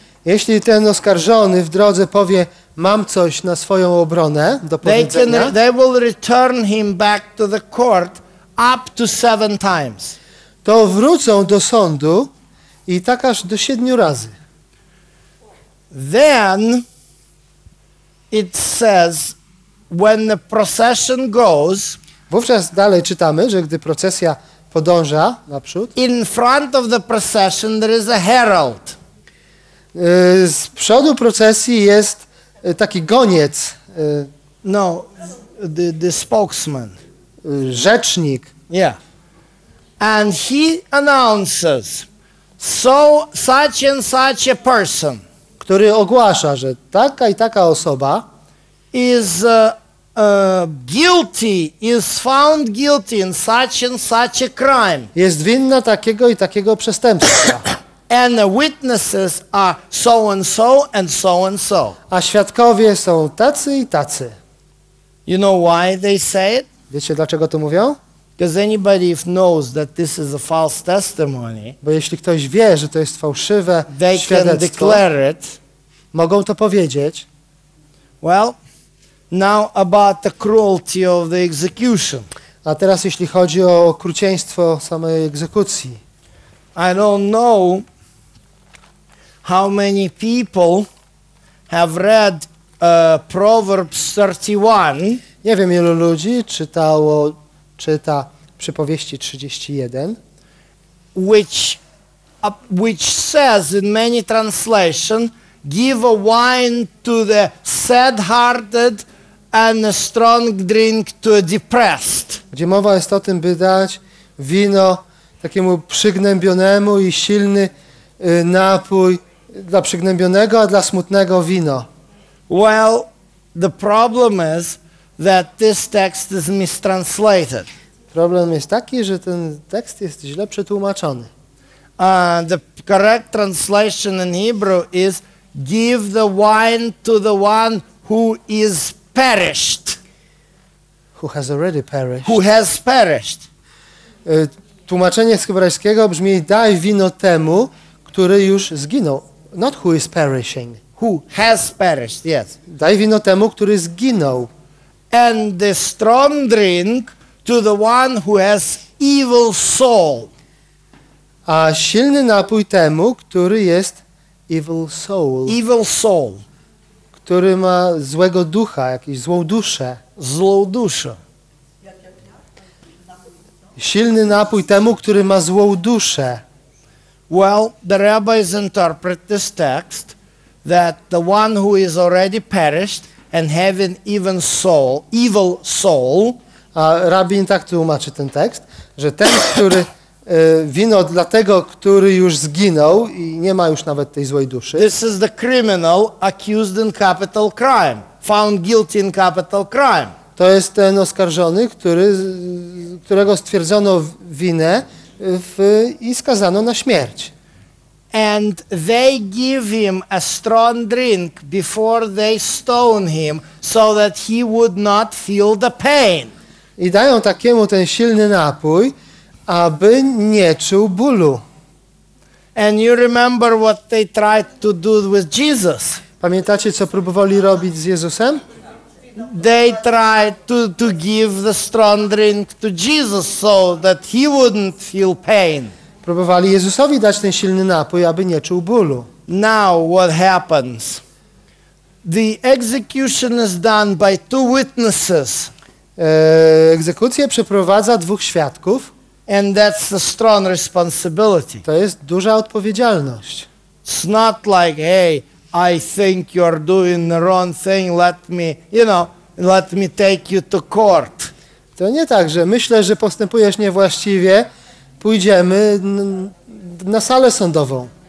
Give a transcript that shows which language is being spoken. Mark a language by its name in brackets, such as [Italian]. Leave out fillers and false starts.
[Polish] Jeśli ten oskarżony w drodze powie, mam coś na swoją obronę do powiedzenia. [English] They will return him back to the court up to 7 times. [Polish] To wrócą do sądu i tak aż do 7 razy. [English] Then it says when the procession goes. [Polish] Wówczas dalej czytamy, że gdy procesja podąża naprzód. [English] In front of the procession there is a herald. [Polish] Z przodu procesji jest taki goniec. [English] No, the spokesman. [Polish] Rzecznik. [English] Yeah. And he announces, so such and such a person. [Polish] Który ogłasza, że taka i taka osoba [English] is guilty, is found guilty in such and such a crime. [Polish] Jest winna takiego i takiego przestępstwa. [English] And the witnesses are so and so and so and so. [Polish] A świadkowie są tacy i tacy. [English] You know why they say it? [Polish] Wiecie dlaczego to mówią? [English] Because anybody knows that this is a false testimony. [Polish] Bo jeśli ktoś wie, że to jest fałszywe świadectwo, [English] they can declare it. [Polish] Mogą to powiedzieć. [English] Well, now about the cruelty of the execution. [Polish] A teraz jeśli chodzi o okrucieństwo samej egzekucji. [English] I don't know how many people have read Proverbs 31. [Polish] Nie wiem ilu ludzi czyta Przypowieści 31. [English] Which says in many translation give a wine to the sad hearted and a strong drink to a depressed. [Polish] Gdzie mowa jest o tym, by dać wino takiemu przygnębionemu i silny napój dla przygnębionego, a dla smutnego wino. [English] Well, the problem is that this text is mistranslated. [Polish] Problem jest taki, że ten tekst jest źle przetłumaczony. [English] The correct translation in Hebrew is give the wine to the one who is perished. Who has already perished. Who has perished. [Polish] Tłumaczenie z hebrajskiego brzmi daj wino temu, który już zginął. [English] Not who is perishing. Who has perished, yes. [Polish] Daj wino temu, który zginął. [English] And the strong drink to the one who has evil soul. [Polish] A silny napój temu, który jest [English] evil soul. Evil soul. [Polish] Który ma złego ducha, jakąś złą duszę. Złą duszę. Silny napój temu, który ma złą duszę. [English] Well, the rabbis interpret this text that the one who is already perished and having even soul, evil soul. [Polish] A rabin tak tłumaczy ten tekst, że ten, który wino dla tego, który już zginął i nie ma już nawet tej złej duszy. [English] This is the criminal accused in capital crime, found guilty in capital crime. [Polish] To jest ten oskarżony, którego stwierdzono winę i skazano na śmierć. [English] And they give him a strong drink before they stone him, so that he would not feel the pain. [Polish] I dają takiemu ten silny napój, aby nie czuł bólu. [English] And you remember what they tried to do with Jesus? [Polish] Pamiętacie, co próbowali robić z Jezusem? [English] They tried to give the strong drink to Jesus so that he wouldn't feel pain. [Polish] Próbowali Jezusowi dać ten silny napój, aby nie czuł bólu. [English] Now what happens? The execution is done by two witnesses. [Polish] Egzekucję przeprowadza dwóch świadków. [English] And that's the strong responsibility. [Polish] To jest duża odpowiedzialność. [English] It's not like, hey, I think you're doing the wrong thing, let me take you to court. [Polish] To nie tak, że myślę, że postępujesz niewłaściwie, pójdziemy na salę sądową.